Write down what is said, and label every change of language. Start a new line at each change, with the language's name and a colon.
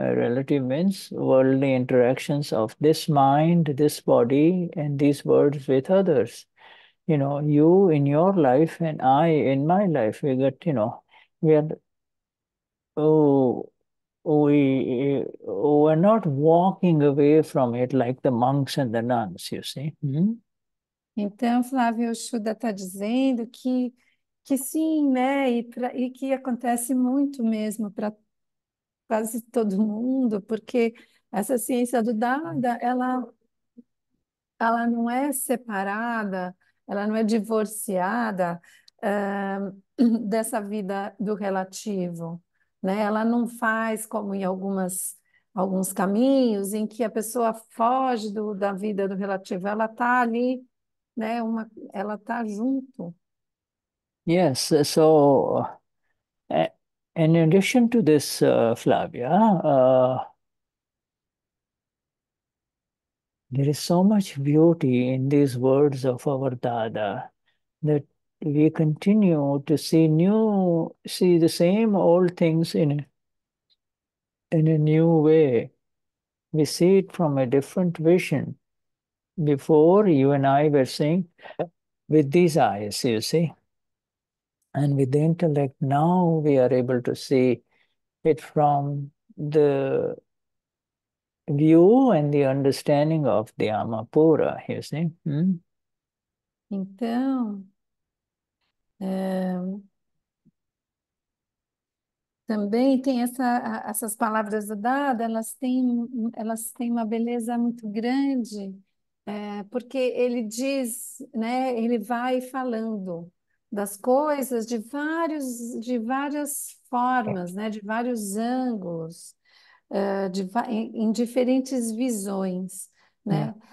English: Relative means worldly interactions of this mind, this body, and these worlds with others. You know, you in your life and I in my life, we get, you know, we are, oh, we're not walking away from it like the monks and the nuns, you see.
Portuguese: Então, Flávio Shuda está dizendo que sim, né? E que acontece muito mesmo para quase todo mundo, porque essa ciência do Dada, ela não é separada, ela não é divorciada dessa vida do relativo, né? Ela não faz como em alguns caminhos em que a pessoa foge da vida do relativo, ela está ali. Né, ela tá junto.
English: Yes, so in addition to this, Flavia, there is so much beauty in these words of our Dada that we continue to see the same old things in a new way. We see it from a different vision. Before, you and I were seeing with these eyes, you see. And with the intellect, now we are able to see it from the view and the understanding of the Amapura, you see.
Portuguese: Então, também tem essas palavras do Dada, elas têm uma beleza muito grande, porque ele diz, né, ele vai falando das coisas de várias formas, né, de vários ângulos, em diferentes visões, né?